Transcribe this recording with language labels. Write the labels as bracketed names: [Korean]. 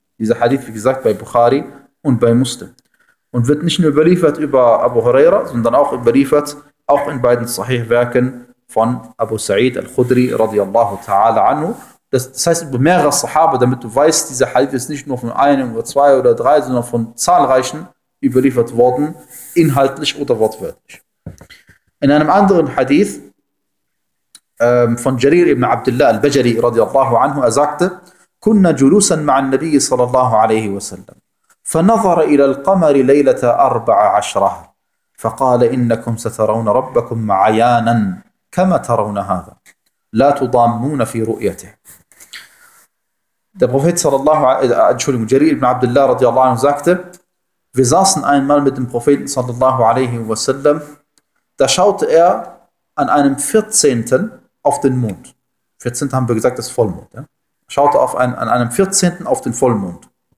[German] Dieser Hadith, wie gesagt, bei Bukhari und bei Muslim. Und wird nicht nur überliefert über Abu Huraira, sondern auch überliefert, auch in beiden Sahih-Werken von Abu Sa'id al-Khudri radiyallahu ta'ala anhu. Das heißt, über mehrere Sahaba, damit du weißt, dieser Hadith ist nicht nur von einem oder zwei oder drei, sondern von zahlreichen überliefert worden, inhaltlich oder wortwörtlich. In einem anderen Hadith von Jarir ibn Abdullah al-Bajri radiyallahu anhu, er sagte, [Arabic] كُنَّ جُلُوسًا مَعَ النَّبِيِّ صَلَى اللَّهُ عَلَيْهِ وَسَلَّمْ فَنَظَرَ إِلَى الْقَمَرِ لَيْلَةَ أَرْبَعَ عَشْرَهَ فَقَالَ إِنَّكُمْ سَتَرَوْنَ رَبَّكُمْ عَيَانًا كَمَا تَرَوْنَ هَذَا لَا تُضَامُّونَ فِي رُؤْيَتِهِ. [German] Der Prophet sallallahu Entschuldigung, Jarir ibn Abdullah radiyallahu anhu sagte, wir saßen einmal mit dem Propheten sallallahu alaihi wasallam, da schaute er an einem 14. auf den Mond. 14. haben wir gesagt, das ist Vollmond. Ja? Schaute an einem 14. auf den Vollmond.